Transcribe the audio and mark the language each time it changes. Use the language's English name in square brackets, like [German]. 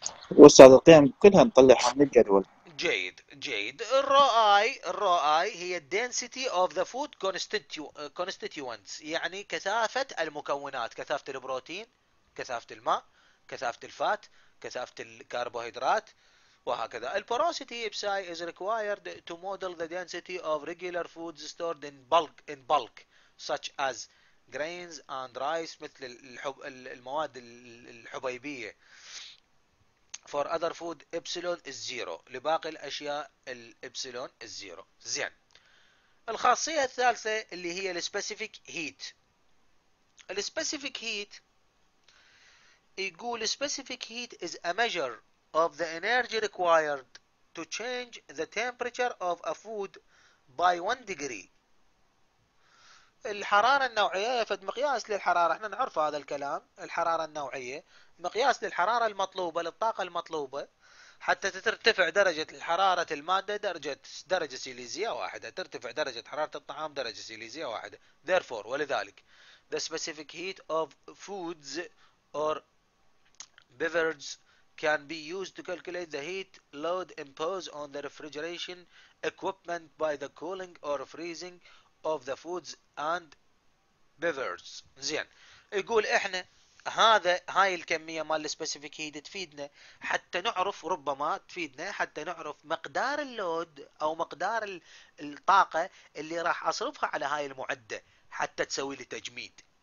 [Arabic] وأستاذ القيم كلها نطلعها من الجدول. جيد جيد. الرو اي هي [English] الدنسيتي of the food constituents, [Arabic] يعني كثافة المكونات، كثافة البروتين، كثافة الماء، كثافة الفات، كثافة الكربوهيدرات، وهكذا. [English] البوروسيتي إبساي is required to model the density of regular foods stored in bulk such as grains and rice، [Arabic] مثل المواد الحبيبية. [English] For other food epsilon is zero، [Arabic] لباقي الأشياء الإبسلون [English] is zero. [Arabic] زين الخاصية الثالثة اللي هي specific heat. [English] specific heat [Arabic] يقول [English] specific heat is a measure of the energy required to change the temperature of a food by 1 degree. [Arabic] الحرارة النوعية هي فد مقياس للحرارة، احنا نعرف هذا الكلام. الحرارة النوعية مقياس للحرارة المطلوبة، للطاقة المطلوبة حتى ترتفع درجة حرارة المادة درجة سيليزية واحدة، ترتفع درجة حرارة الطعام درجة سيليزية واحدة. [English] therefore [Arabic] ولذلك [English] the specific heat of foods or beverages can be used to calculate the heat load imposed on the refrigeration equipment by the cooling or freezing of the foods and beverages. [Arabic] زين يقول احنا هذا هاي الكميه مال السبيسيفيك هيت تفيدنا حتى نعرف، ربما تفيدنا حتى نعرف مقدار اللود او مقدار الطاقه اللي راح اصرفها على هاي المعده حتى تسوي لي تجميد.